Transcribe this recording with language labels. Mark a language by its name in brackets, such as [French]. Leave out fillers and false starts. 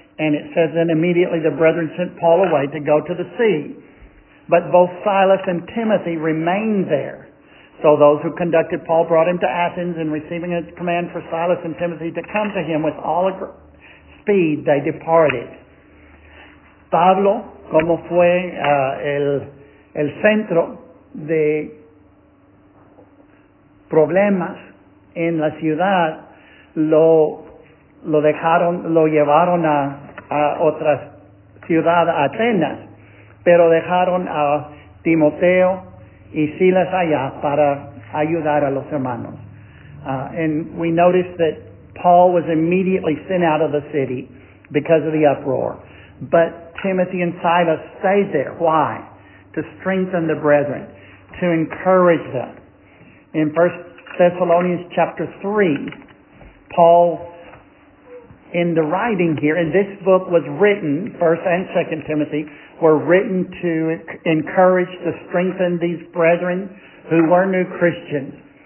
[English] And it says, then immediately the brethren sent Paul away to go to the sea. But both Silas and Timothy remained there. So those who conducted Paul brought him to Athens, and receiving a command for Silas and Timothy to come to him with all speed, they departed. [Spanish] Pablo, como fue el centro de problemas en la ciudad, lo llevaron a otra ciudad, Atenas, pero dejaron a Timoteo y Silas allá para ayudar a los hermanos. [English] And we notice that Paul was immediately sent out of the city because of the uproar. But Timothy and Silas stayed there. Why? To strengthen the brethren, to encourage them. In 1 Thessalonians chapter 3, Paul, in the writing here, and this book was written, 1st and 2nd Timothy, were written to encourage, to strengthen these brethren who were new Christians.